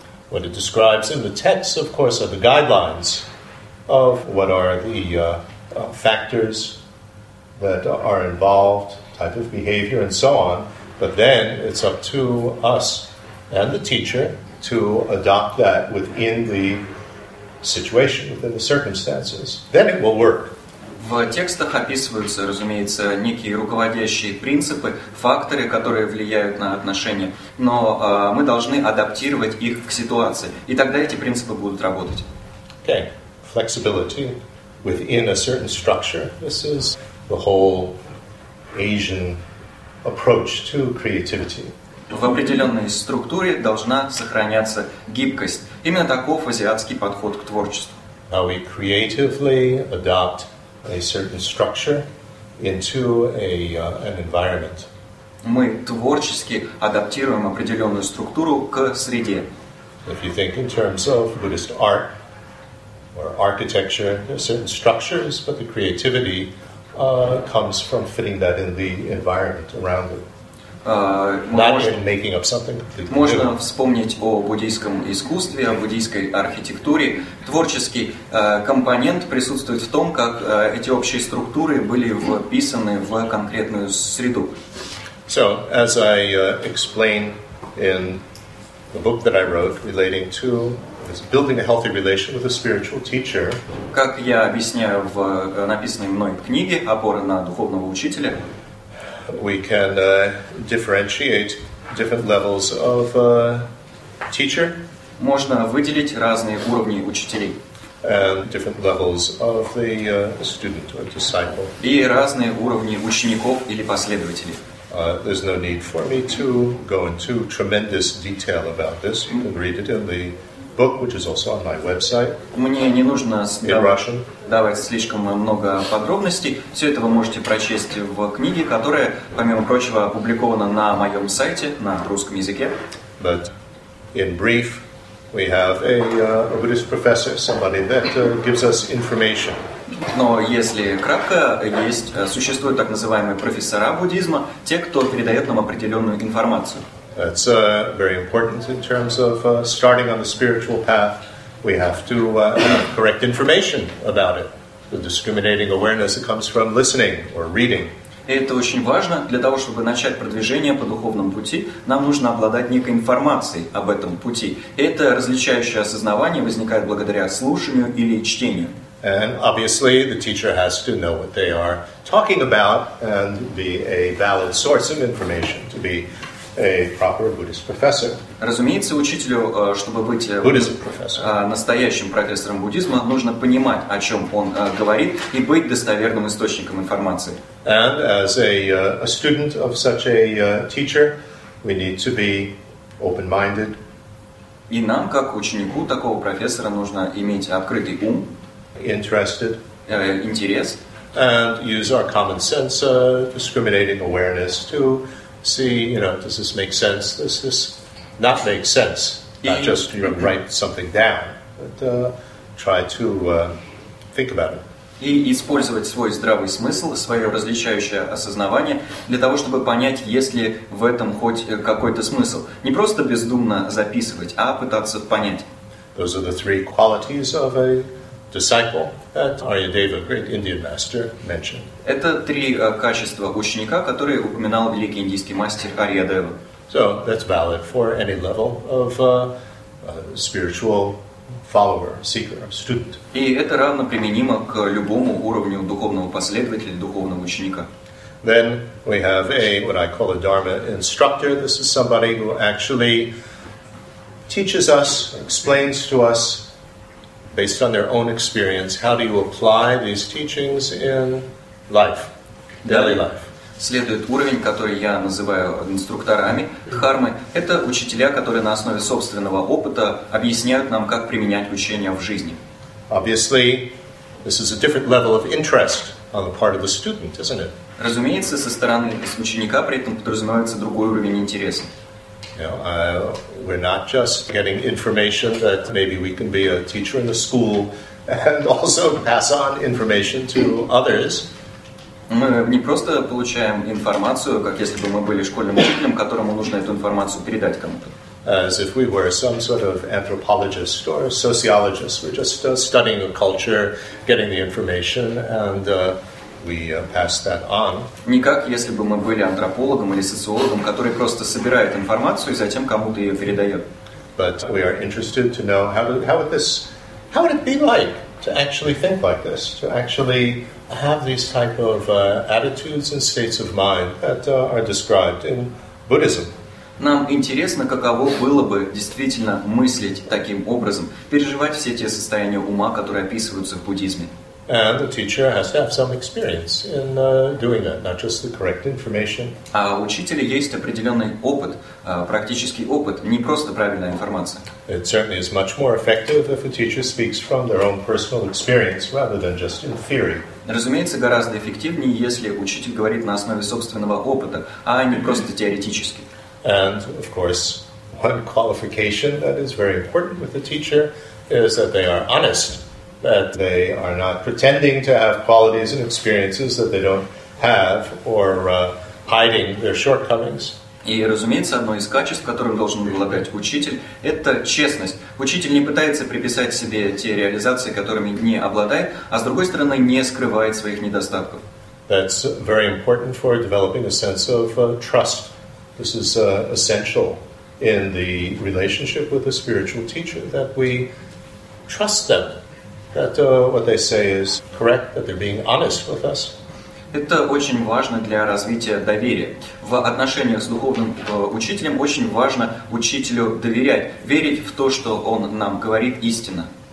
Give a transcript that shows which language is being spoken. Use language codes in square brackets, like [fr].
[en] What it describes in the text, of course, are the guidelines of what are the factors that are involved, type of behavior, and so on. But then it's up to us and the teacher to adopt that within the situation, within the circumstances, then it will work. [ru] В текстах описываются, разумеется, некие руководящие принципы, факторы, которые влияют на отношения, но мы должны адаптировать их к ситуации, и тогда эти принципы будут работать. [en] Okay, flexibility within a certain structure. This is the whole Asian approach to creativity. [ru] В определенной структуре должна сохраняться гибкость. Именно таков азиатский подход к творчеству. [en] How we creatively adopt a certain structure into an environment. [ru] Мы творчески адаптируем определенную структуру к среде. [en] If you think in terms of Buddhist art or architecture, there are certain structures, but the creativity comes from fitting that in the environment around it. [ru] Можно вспомнить о буддийском искусстве, о буддийской архитектуре. Творческий компонент присутствует в том, как эти общие структуры были вписаны в конкретную среду. [en] So, as I explain in the book that I wrote relating to Building a healthy relation with a spiritual teacher. [ru] Как я объясняю в написанной мной книге «Опора на духовного учителя», [en] we can differentiate different levels of teacher. [ru] Можно выделить разные уровни учителей. [en] And different levels of the student or disciple. [ru] И разные уровни учеников или последователей. [en] There's no need for me to go into tremendous detail about this. You can read it in the book, which is also on my website. [ru] Мне не нужно давать слишком много подробностей. Все это вы можете прочесть в книге, которая, помимо прочего, опубликована на моем сайте на русском языке. [en] But in brief, we have a Buddhist professor, somebody that gives us information. [ru] Но если кратко, существуют так называемые профессора буддизма, те, кто передает нам определенную информацию. [en] That's very important in terms of starting on the spiritual path. We have to have correct information about it. The discriminating awareness that comes from listening or reading. [ru] Это очень важно. Для того, чтобы начать продвижение по духовному пути, нам нужно обладать некой информацией об этом пути. Это различающее осознавание возникает благодаря слушанию или чтению. [en] And obviously, the teacher has to know what they are talking about and be a valid source of information to be a proper Buddhist professor. [ru] Разумеется, учителю, чтобы быть [en] Buddhism professor. [ru] Настоящим профессором буддизма, нужно понимать, о чем он говорит, и быть достоверным источником информации. [en] And as a student of such a teacher, we need to be open-minded. [ru] И нам, как ученику такого профессора, нужно иметь открытый ум, [en] interested, [ru] интерес, [en] and use our common sense, discriminating awareness to see, you know, does this make sense? Does this not make sense? Not just write something down, but try to think about it. [ru] И использовать свой здравый смысл, свое различающее осознавание для того, чтобы понять, есть ли в этом хоть какой-то смысл. Не просто бездумно записывать, а пытаться понять. [en] Those are the three qualities of a disciple that Aryadeva, great Indian master, mentioned. [ru] Это три качества ученика, которые упоминал великий индийский мастер Арьядева. [en] So that's valid for any level of spiritual follower, seeker, student. [ru] И это равно применимо к любому уровню духовного последователя, духовного ученика. [en] Then we have what I call a Dharma instructor. This is somebody who actually teaches us, explains to us, based on their own experience, how do you apply these teachings in life, daily life? [ru] Следует уровень, который я называю инструкторами дхармы. Это учителя, которые на основе собственного опыта объясняют нам, как применять учения в жизни. [en] Obviously, this is a different level of interest on the part of the student, isn't it? [ru] Разумеется, со стороны ученика при этом подразумевается другой уровень интереса. [en] You know, we're not just getting information that maybe we can be a teacher in the school and also pass on information to others. [ru] Мы не просто получаем информацию, как если бы мы были школьным учителем, которому нужно эту информацию передать кому-то. [en] As if we were some sort of anthropologist or sociologist. We're just studying a culture, getting the information, and we pass that on. [ru] Не как если бы мы были антропологом или социологом, который просто собирает информацию и затем кому-то ее передает. [en] But we are interested to know how would it be like to actually think like this, to actually have these type of attitudes and states of mind that are described in Buddhism. [ru] Нам интересно, каково было бы действительно мыслить таким образом, переживать все те состояния ума, которые описываются в буддизме. [en] And the teacher has to have some experience in doing that, not just the correct information. [ru] А у учителя есть определенный опыт, практический опыт, не просто правильная информация. [en] It certainly is much more effective if a teacher speaks from their own personal experience rather than just in theory. [ru] Разумеется, гораздо эффективнее, если учитель говорит на основе собственного опыта, а не просто теоретически. [en] And, of course, one qualification that is very important with the teacher is that they are honest. That they are not pretending to have qualities and experiences that they don't have, or hiding their shortcomings. [ru] И, разумеется, одно из качеств, которым должен обладать учитель, это честность. Учитель не пытается приписать себе те реализации, которыми не обладает, а с другой стороны, не скрывает своих недостатков. [en] That's very important for developing a sense of trust. This is essential. in the relationship with the spiritual teacher, that we trust them, that what they say is correct, that they're being honest with us. [ru] Это очень важно для развития доверия. В отношениях с духовным учителем очень важно учителю доверять, верить в то, что он нам говорит истинно.